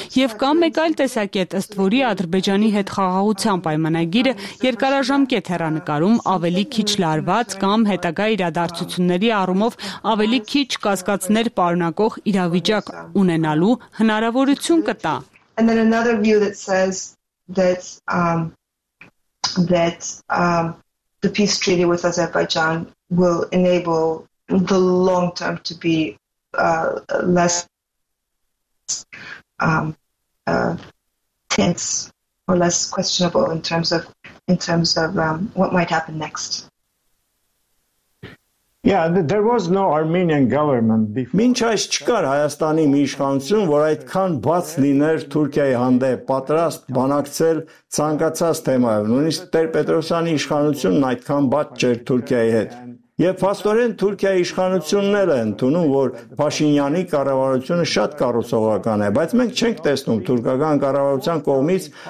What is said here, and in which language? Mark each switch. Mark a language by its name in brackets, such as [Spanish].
[Armenian] Եվ կա մեկ այլ տեսակետ, ըստ որի Ադրբեջանի հետ խաղաղության պայմանագիրը երկարաժամկետ հեռանկարում ավելի քիչ լարված կամ հետագա իրադարձությունների առումով ավելի քիչ կասկածներ պարունակող իրավիճակ ունենալու հնարավորություն կտա։ [English] And then another view that says that that the peace treaty with Azerbaijan will enable the long term to be less tense or less questionable in terms of what might happen next. Yeah, there was no Armenian government before. [Armenian] Մինչ այս չկար Հայաստանի մի իշխանություն, որ այդքան բաց լիներ Թուրքիայի հանդեպ, պատրաստ բանակցել ցանկացած թեմայով, նույնիսկ Տեր Պետրոսյանի իշխանությունն այդքան բաց չէր Թուրքիայի հետ։ Եվ փաստորեն Թուրքիայի իշխանությունն էլ է ընդունում, որ Փաշինյանի կառավարությունը շատ կարուսողական է, բայց մենք չենք տեսնում թուրքական կառավարության կողմից